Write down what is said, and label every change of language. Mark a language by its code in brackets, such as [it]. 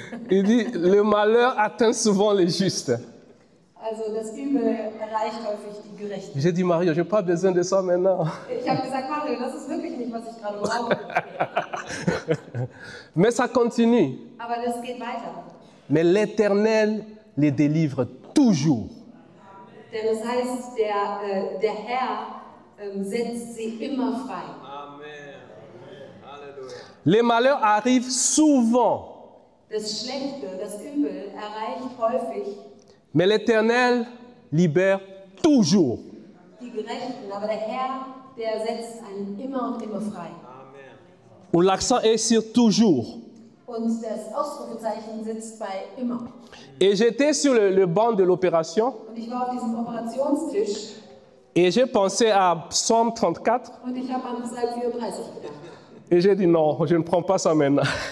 [fr] Il dit, le malheur atteint souvent les justes. [de] Also, das Übel erreicht häufig die Gerechten. [fr] J'ai dit, Mario, j'ai pas besoin de ça maintenant. [de] Ich habe gesagt, Mario, das ist wirklich nicht, was ich gerade brauche. [fr] Mais ça continue. [de] Aber das geht weiter. [fr] Mais l'Éternel les délivre toujours. [de] Denn es heißt, der Herr setzt sie immer frei. [fr] Les malheurs arrivent souvent. [de] Das Schlechte, das Übel erreicht häufig. [fr] Mais l'Éternel libère toujours. [de] Die Gerechten, aber der Herr, der setzt einen immer und immer frei. Amen. [fr] Und l'accent est sur toujours. [de] Und das Ausrufezeichen sitzt bei immer. [fr] Et j'étais sur le banc de l'opération. [de] Und ich war auf diesem Operationstisch. [fr] Et j'ai pensé à Psaume 34. [de] Und ich habe an Psalm 34 gedacht. [fr] Et j'ai dit non, je ne prends pas ça maintenant.